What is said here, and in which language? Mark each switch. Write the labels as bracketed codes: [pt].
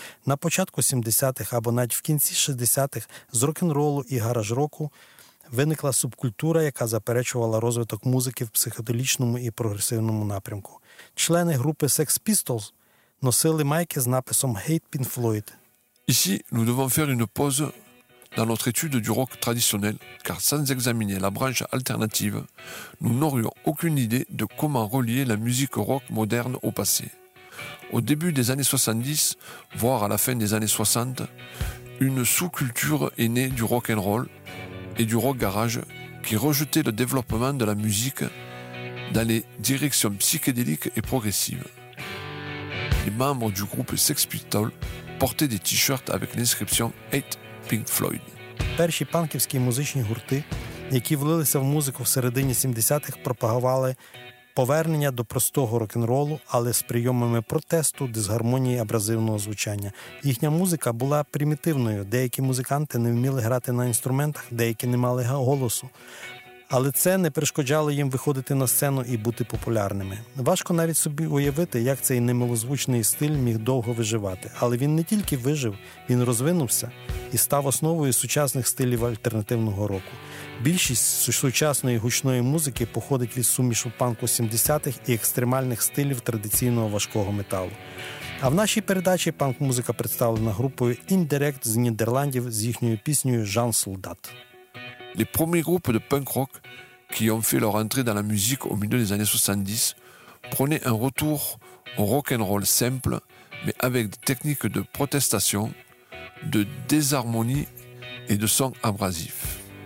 [uk] На початку 70-х або навіть в кінці 60-х з рок-н-ролу і гараж-року виникла субкультура, яка заперечувала розвиток музики в психоделічному і прогресивному напрямку. Члени групи Sex Pistols носили майки з написом [en] «Hate Pink Floyd». [fr] Ici, nous devons faire une pause dans notre étude du rock traditionnel, car sans examiner la branche alternative, nous n'aurions aucune idée de comment relier la musique rock moderne au passé. Au début des années 70, voire à la fin des années 60, une sous-culture est née du rock'n'roll et du rock garage qui rejetait le développement de la musique dans les directions psychédéliques et progressives. Les membres du groupe Sex Pistols portaient des t-shirts avec l'inscription « [en] Hate Pink Floyd». [uk] Перші панківські музичні гурти, які влилися в музику в середині 70-х, пропагували повернення до простого рок-н-ролу, але з прийомами протесту, дисгармонії, абразивного звучання. Їхня музика була примітивною. Деякі музиканти не вміли грати на інструментах, деякі не мали голосу. Але це не перешкоджало їм виходити на сцену і бути популярними. Важко навіть собі уявити, як цей немилозвучний стиль міг довго виживати. Але він не тільки вижив, він розвинувся і став основою сучасних стилів альтернативного року. Більшість сучасної гучної музики походить від сумішу панку 70-х і екстремальних стилів традиційного важкого металу. А в нашій передачі панк-музика представлена групою Indirect з Нідерландів з їхньою піснею «Жан Солдат». [fr] Les premiers groupes de punk rock qui ont fait leur entrée dans la musique au milieu des années 70 prenaient un retour au rock and roll simple, mais avec des techniques de protestation, de désharmonie et de sons abrasifs.